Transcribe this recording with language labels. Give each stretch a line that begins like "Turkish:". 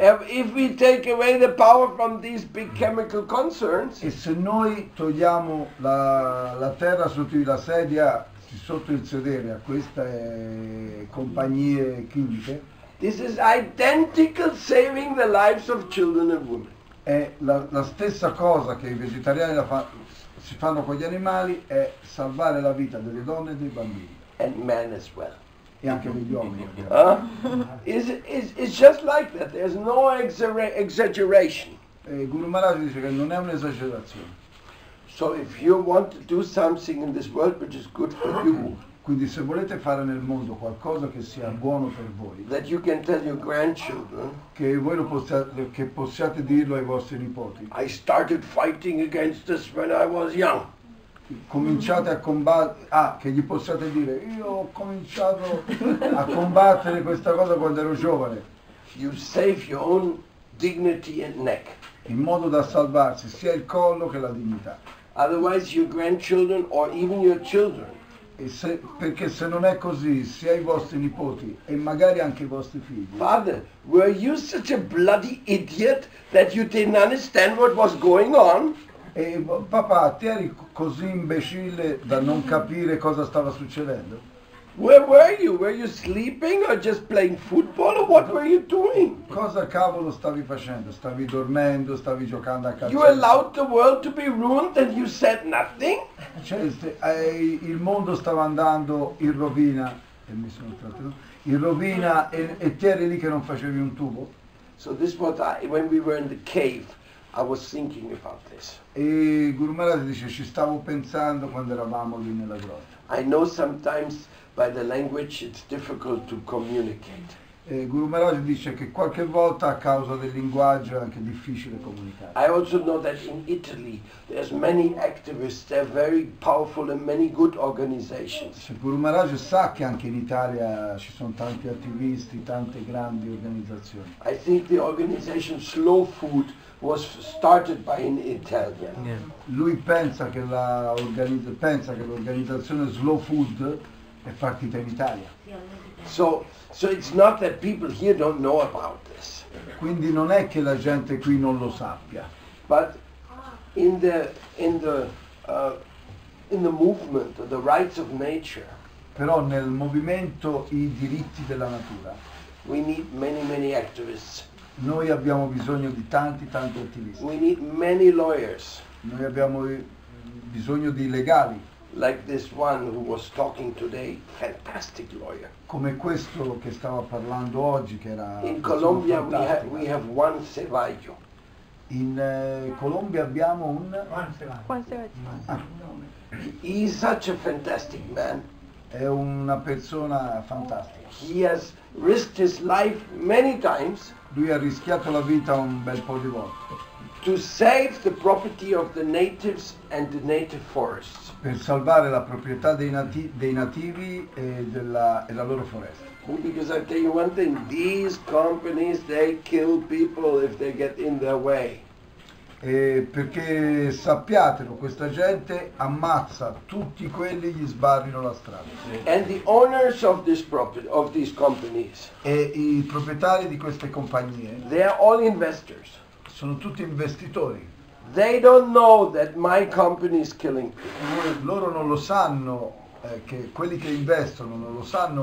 English: If we take away the power from these big chemical concerns.
Italian: E se noi togliamo la terra sotto la sedia, sotto il sedere a queste compagnie chimiche.
English: This is identical saving the lives of children and women.
Italian: È la stessa cosa che i vegetariani si fanno con gli animali è salvare la vita delle donne e dei bambini.
English: And men as well.
Italian: E anche degli uomini.
English: It's just like that. There's no exaggeration.
Italian: E Guru Maharaj dice che non è un'esagerazione.
English: So if you want to do something in this world which is good for you.
Italian: Quindi se volete fare nel mondo qualcosa che sia buono per voi.
English: That you can tell your grandchildren.
Italian: Che voi possiate dirlo ai vostri nipoti.
English: I started fighting against this when I was young.
Italian: cominciate a combattere, che gli possiate dire: io ho cominciato a combattere questa cosa quando ero giovane.
English: You save your own dignity and neck.
Italian: In modo da salvarsi sia il collo che la dignità.
English: Otherwise your grandchildren or even your children.
Italian: E se, perché se non è così, sia i vostri nipoti e magari anche i vostri figli.
English: Father, were you such a bloody idiot that you didn't understand what was going on?
Italian: E papà, ti eri così imbecille da non capire cosa stava succedendo?
English: Where were you? Were you sleeping or just playing football or what were you doing?
Italian: Cosa cavolo stavi facendo? Stavi dormendo, stavi giocando a calcio? You allowed the world to be ruined and you said nothing? Cioè, il mondo stava andando in rovina e mi sono trattenuto. In rovina e ti eri lì che non facevi un tubo?
English: So this was when we were in the cave. I was thinking about this.
Italian: E Guru Maharaj dice: ci stavo pensando quando eravamo lì nella grotta.
English: I know sometimes by the language it's difficult to communicate.
Italian: E Guru Maharaj dice che qualche volta a causa del linguaggio è anche difficile comunicare.
English: I also know that in Italy there's many activists, they're very powerful and many good organizations.
Italian: Se Guru Maharaj sa che anche in Italia ci sono tanti attivisti, tante grandi organizzazioni.
English: I think the organization Slow Food was started by an Italian. Yeah.
Italian: Lui pensa che l'organizzazione Slow Food è partita in Italia.
English: So it's not that people here don't know about this.
Italian: Quindi non è che la gente qui non lo sappia.
English: But in the movement of the rights of nature.
Italian: Però nel movimento i diritti della natura.
English: We need many many activists.
Italian: Noi abbiamo bisogno di tanti tanti attivisti.
English: We need many lawyers.
Italian: Noi abbiamo bisogno di legali.
English: Like this one who was talking today, fantastic lawyer.
Italian: Come questo che stava parlando oggi, che era.
English: In Colombia we have one Ceballo.
Italian: In Colombia abbiamo un.
English: Juan Ceballo. He's such a fantastic man.
Italian: È una persona fantastica.
English: He has risked his life many times.
Italian: Lui ha rischiato la vita un bel po' di volte.
English: To save the property of the natives and the native forests.
Italian: Per salvare la proprietà dei nativi e la loro foresta.
English: Because I tell you one thing, these companies they kill people if they get in their way.
Italian: E perché sappiatelo, questa gente ammazza tutti quelli gli sbarrino la strada.
English: And the owners of this property of these companies.
Italian: E i proprietari di queste compagnie.
English: They are all investors.
Italian: Sono tutti investitori.
English: They don't know that my company is killing people.
Italian: Loro non lo sanno che quelli che investono non lo sanno.